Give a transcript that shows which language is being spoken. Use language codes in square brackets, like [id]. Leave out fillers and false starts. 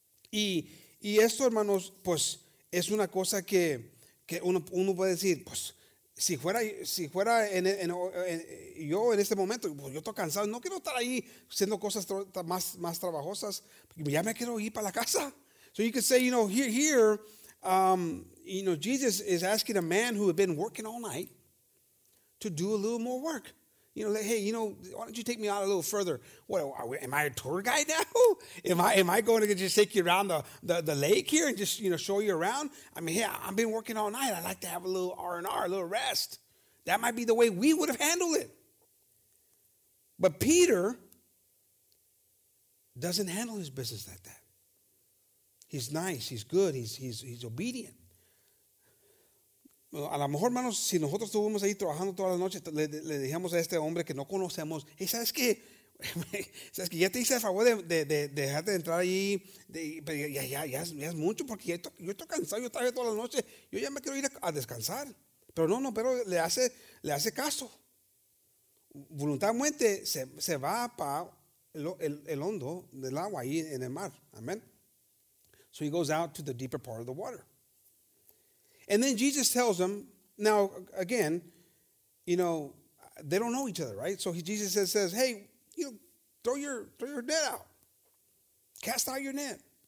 [es] Y esto, hermanos, pues es una cosa que uno puede decir, pues. Si fuera en yo en este momento, pues yo estoy cansado, no quiero estar ahí haciendo cosas más trabajosas, ya me quiero ir para la casa. [en] So you could say, you know, here, you know, Jesus is asking a man who had been working all night to do a little more work. You know, like, hey, you know, why don't you take me out a little further? What, am I a tour guide now? Am I going to just take you around the lake here and just, you know, show you around? I mean, hey, I've been working all night. I'd like to have a little R&R, a little rest. That might be the way we would have handled it. But Peter doesn't handle his business like that. He's nice. He's good. He's obedient. [es] A lo mejor, hermanos, si nosotros estuvimos ahí trabajando toda la noche, le dijimos a este hombre que no conocemos, hey, ¿sabes qué? Ya te hice el favor de dejarte de entrar ahí, ya es mucho, porque yo estoy cansado, yo trabajé toda la noche, yo ya me quiero ir a descansar. Pero no, pero le hace caso. Voluntariamente se va para el hondo del agua ahí en el mar. Amén. [en] So he goes out to the deeper part of the water. And then Jesus tells them, now, again, you know, they don't know each other, right? So Jesus says, hey, you know, throw your net out. Cast out your net.